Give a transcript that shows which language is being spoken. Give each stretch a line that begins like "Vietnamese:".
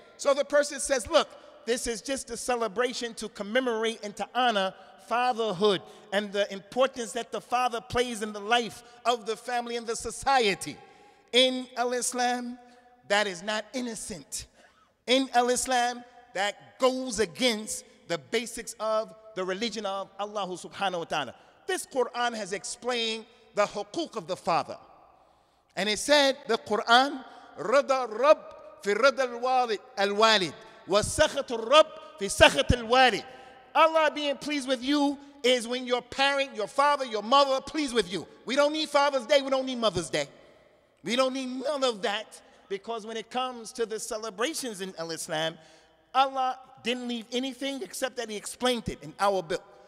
English: So the person says, look, this is just a celebration to commemorate and to honor fatherhood and the importance that the father plays in the life of the family and the society. In Al-Islam, that is not innocent. In Al-Islam, that goes against the basics of the religion of Allah
Arabic: subhanahu wa ta'ala.
English: This Quran has explained the huquq of the father. And it said, the Quran,
Arabic: رضى الرب في رضى الوالد وسخط الرب في سخط الوالد.
English: Allah being pleased with you is when your parent, your father, your mother are pleased with you. We don't need Father's Day. We don't need Mother's Day. We don't need none of that, because when it comes to the celebrations in Al-Islam, Allah didn't leave anything except that he explained it in our book.